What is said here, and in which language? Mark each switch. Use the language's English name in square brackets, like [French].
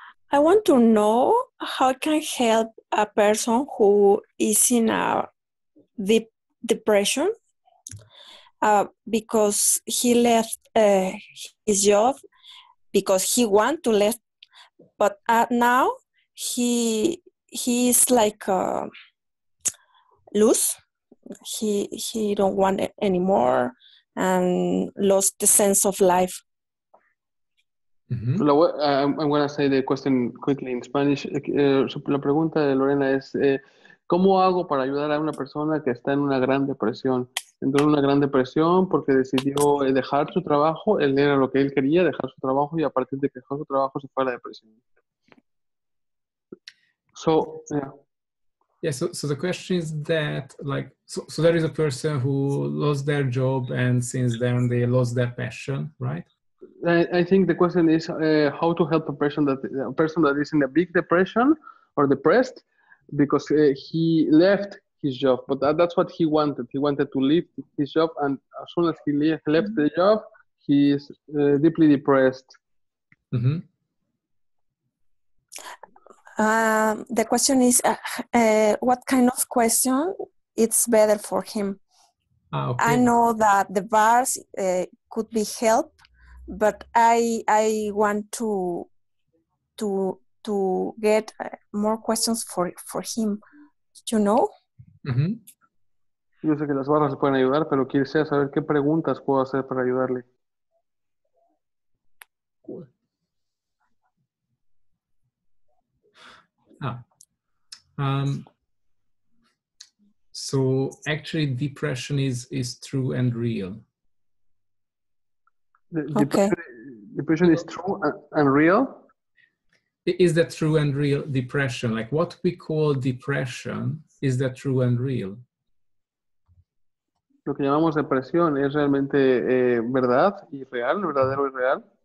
[English] I want to know how I can help a person who is in a deep depression because he left his job because he want to leave, but now he is like loose. He don't want it anymore. And lost the sense of life. Mm-hmm. I'm going to say the question quickly in Spanish. [Spanish] La pregunta de Lorena es, ¿cómo hago para ayudar a una persona que está en una gran depresión? Entró en una gran depresión porque decidió dejar su trabajo. Él era lo que él quería, dejar su trabajo. Y a partir de que dejó su trabajo, se fue a la depresión. [English] So, yeah. Yeah, so the question is that, like, so there is a person who lost their job and since then they lost their passion, right? I think the question is how to help a person that is in a big depression or depressed because he left his job, but that's what he wanted. He wanted to leave his job, and as soon as he left the job, he is deeply depressed. Mm-hmm. The question is, what kind of question it's better for him? Okay. I know that the bars could be help, but I want to get more questions for him. You know? Mm-hmm. [Spanish] Yo sé que las barras pueden ayudar, pero quisiera saber qué preguntas puedo hacer para ayudarle. [English] So actually depression is true and real. Depression is true and real? Is that true and real depression? Like what we call depression, is that true and real? [Spanish] Lo que llamamos depresión es realmente verdad y real, verdadero y real.